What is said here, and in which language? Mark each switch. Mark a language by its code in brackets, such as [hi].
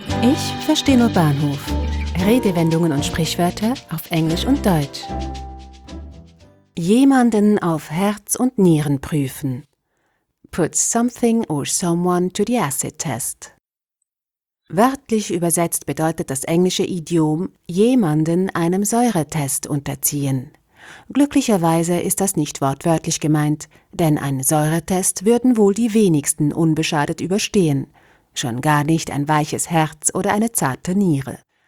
[de] Ich verstehe nur Bahnhof. Redewendungen und Sprichwörter auf Englisch und Deutsch. Jemanden auf Herz und Nieren prüfen. [en] Put something or someone to the acid test. [de] Wörtlich übersetzt bedeutet das englische Idiom, jemanden einem Säuretest unterziehen. Glücklicherweise ist das nicht wortwörtlich gemeint, denn einen Säuretest würden wohl die wenigsten unbeschadet überstehen. Schon gar nicht ein weiches Herz oder eine zarte Niere.